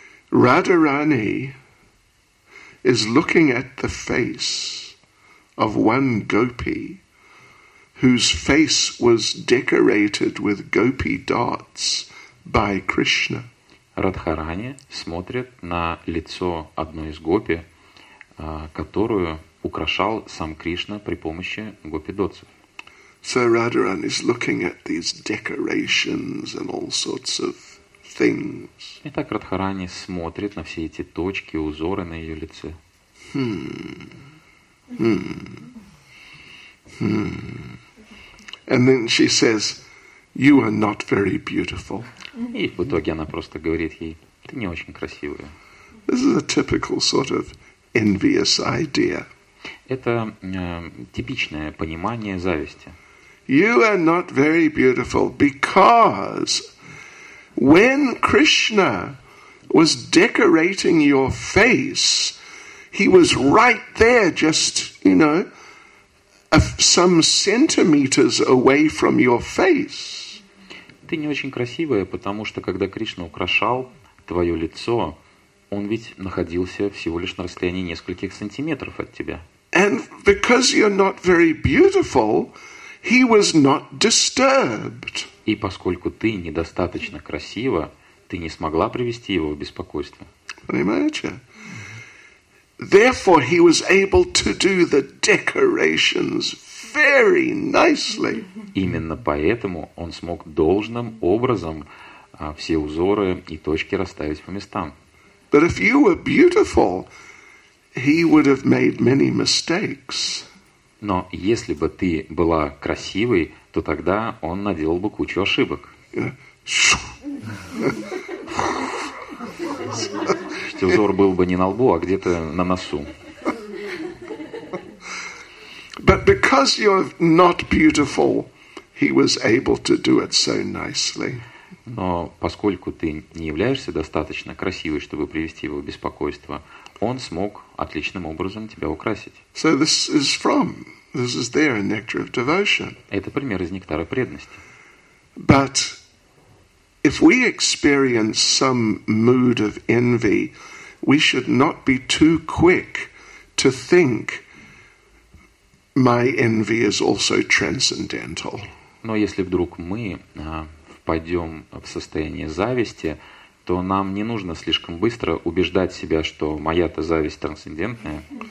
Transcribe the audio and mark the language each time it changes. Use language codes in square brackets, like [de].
[en] Радхарани is looking at the face of one gopi whose face was decorated with gopi dots by Krishna. [ru] Радхарани смотрит на лицо одной из гопи, которую украшал сам Кришна при помощи гопи-дотсов. [en] So Radharani is looking at these decorations and all sorts of things. [ru] Итак, Радхарани смотрит на все эти точки, узоры на ее лице. [en] And then she says, "You are not very beautiful." [ru] И в итоге она просто говорит ей: "Ты не очень красивая." [en] This is a typical sort of envious idea. [ru] Это типичное понимание зависти. [en] You are not very beautiful because when Krishna was decorating your face, he was right there, just, you know, some centimeters away from your face. [ru] Ты не очень красивая, потому что когда Кришна украшал твое лицо, он ведь находился всего лишь на расстоянии нескольких сантиметров от тебя. [en] And because you're not very beautiful, he was not disturbed. [ru] И поскольку ты недостаточно красива, ты не смогла привести его в беспокойство. Понимаете? [en] Therefore, he was able to do the decorations very nicely. [ru] Именно поэтому он смог должным образом все узоры и точки расставить по местам. [en] But if you were beautiful, he would have made many mistakes. [ru] Но если бы ты была красивой, то тогда он наделал бы кучу ошибок. Что узор был бы не на лбу, а где-то на носу. [en] But because you're not beautiful, he was able to do it so nicely. [ru] Но поскольку ты не являешься достаточно красивой, чтобы привести его в беспокойство, он смог отличным образом тебя украсить. [en] So this is there in Nectar of Devotion. [ru] Это пример из Нектара преданности. [en] But if we experience some mood of envy, we should not be too quick to think my envy is also transcendental. [ru] Но если вдруг мы пойдем в состояние зависти, то нам не нужно слишком быстро убеждать себя, что моя-то зависть трансцендентная.